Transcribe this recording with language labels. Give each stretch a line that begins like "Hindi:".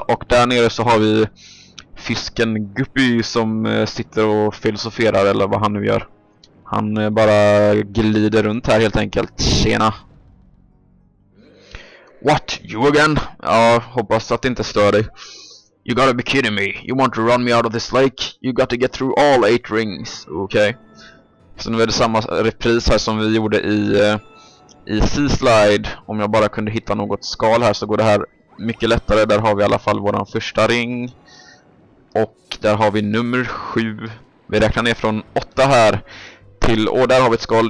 Swedish: Och där nere så har vi fisken Guppy som sitter och filosoferar eller vad han nu gör. Han bara glider runt här helt enkelt. Tjena.
English: What? You again?
Swedish: Ja, hoppas att det inte stör dig.
English: You gotta be kidding me. You want to run me out of this lake? You gotta get through all 8 rings.
Swedish: Okej. Okay. Sen är det samma repris här som vi gjorde i C-slide. Om jag bara kunde hitta något skal här så går det här mycket lättare. Där har vi i alla fall våran första ring. Och där har vi nummer 7. Vi räknar ner från 8 här till... Och där har vi ett skal.